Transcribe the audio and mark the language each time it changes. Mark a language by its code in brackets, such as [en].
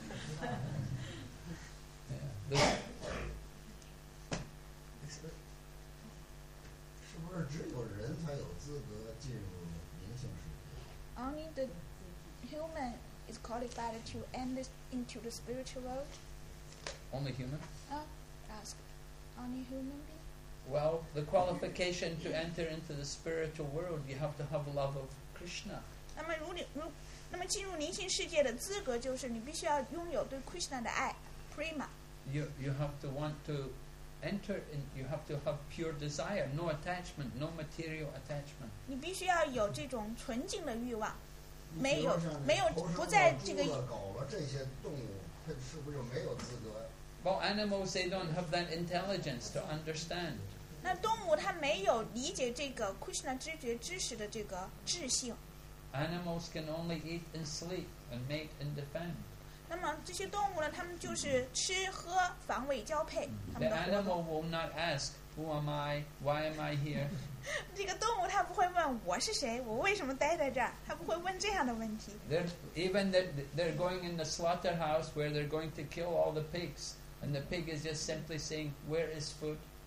[zh] 那你要如果你想这么做的话，那你太仁慈了。是不是只有人才有资格进入灵性世界 [en] ？Only the human is qualified to enter into the spiritual world. Only human? Ask. Only human being. Well, the qualification to enter into the spiritual world, you have to have love of Krishna. [zh] 那么进入灵性世界的资格就是你必须要拥有对 Krishna 的爱 ，prema. [en] You have to want to enter in. You have to have pure desire, no attachment, no material attachment. [zh] 你必须要有这种纯净的欲望，没有不在这个。猪了、狗了这些动物，它是不是就没有资格？ [en] Well, animals, they don't have that intelligence to understand. [zh] 那动物它没有理解这个 Krishna 知觉知识的这个智性。 [en] Animals can only eat and sleep and mate and defend. [zh] 那么这些动物呢，它们就是吃喝防卫交配。 [en] The animal will not ask, "Who am I? Why am I here?" [zh] 这个动物它不会问我是谁，我为什么待在这儿，它不会问这样的问题。 [en] They're going in the slaughterhouse where they're going to kill all the pigs. And the pig is just simply saying, where is food?